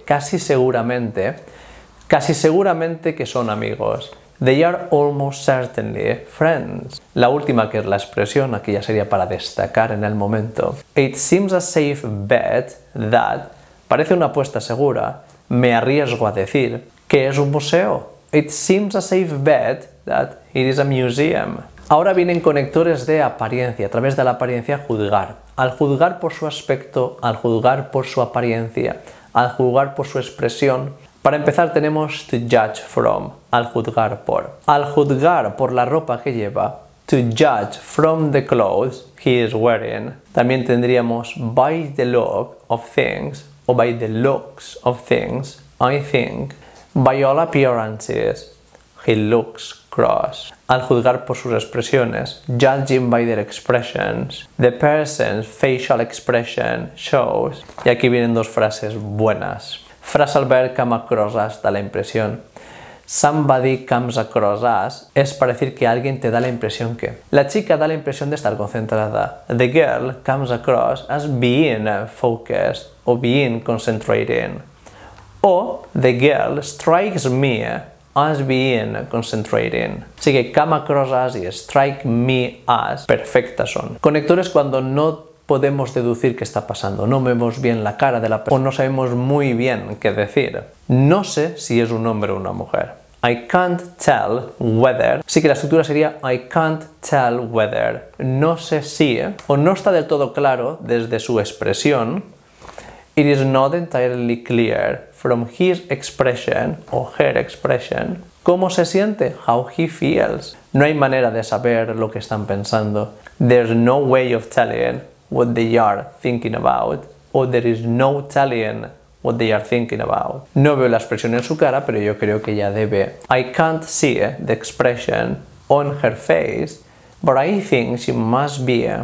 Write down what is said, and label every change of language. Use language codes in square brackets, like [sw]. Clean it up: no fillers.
[es] Casi seguramente. Casi seguramente que son amigos. [en] They are almost certainly friends. [es] La última, que es la expresión, aquí ya sería para destacar en el momento. [en] It seems a safe bet that. [es] Parece una apuesta segura. Me arriesgo a decir que es un museo. [en] It seems a safe bet that it is a museum. [es] Ahora vienen conectores de apariencia, a través de la apariencia juzgar. Al juzgar por su aspecto, al juzgar por su apariencia, al juzgar por su expresión. Para empezar tenemos [en] to judge from, [es] al juzgar por. Al juzgar por la ropa que lleva, [en] to judge from the clothes he is wearing. [es] También tendríamos [en] by the look of things, o by the looks of things, I think. By all appearances, he looks cross. [es] Al juzgar por sus expresiones, [en] judging by their expressions, the person's facial expression shows. [es] Y aquí vienen dos frases buenas. Frase al ver come across us da la impresión. [en] Somebody comes across us [es] es para decir que alguien te da la impresión que. La chica da la impresión de estar concentrada. [en] The girl comes across as being focused o being concentrating. O the girl strikes me as being concentrating. [es] Así que come across us y strike me as perfectas son. Conectores cuando no podemos deducir qué está pasando. No vemos bien la cara de la persona o no sabemos muy bien qué decir. No sé si es un hombre o una mujer. [en] I can't tell whether. [es] Así que la estructura sería [en] I can't tell whether. [es] No sé si o no está del todo claro desde su expresión. [en] It is not entirely clear from his expression or her expression. [es] ¿Cómo se siente? [en] How he feels. [es] No hay manera de saber lo que están pensando. [en] There's no way of telling what they are thinking about, or there is no telling what they are thinking about. [es] No veo la expresión en su cara, pero yo creo que ya debe. [en] I can't see the expression on her face, but I think she must be.